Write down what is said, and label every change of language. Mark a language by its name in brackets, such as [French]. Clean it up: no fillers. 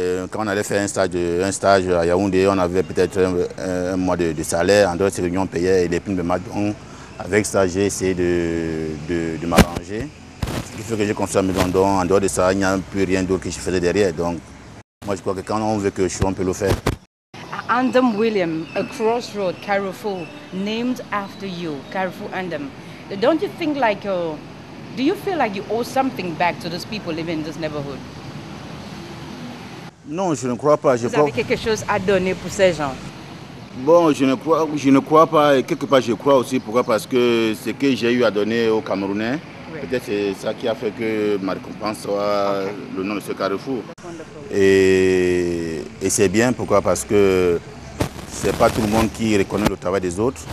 [French] Quand on allait faire un stage à Yaoundé, on avait peut-être un mois de salaire. En dehors de ces réunions, on payait et les primes de match. Donc, avec ça, j'ai essayé de m'arranger. Ce qui fait que j'ai construit un maison. Donc, en dehors de ça, il n'y a plus rien d'autre que je faisais derrière. Donc, moi, je crois que quand on veut que je sois, on peut le faire. [English] Andam William, a crossroad, Carrefour, named after you, Carrefour Andam. Don't you think like, do you feel like you owe something back to those people living in this neighborhood? [French] Non, je ne crois pas. Vous avez quelque chose à donner pour ces gens? Bon, je ne crois pas. Et quelque part, je crois aussi. Pourquoi? Parce que ce que j'ai eu à donner aux Camerounais, oui. Peut-être c'est ça qui a fait que ma récompense soit le nom de ce Carrefour. Et c'est bien. Pourquoi? Parce que ce n'est pas tout le monde qui reconnaît le travail des autres.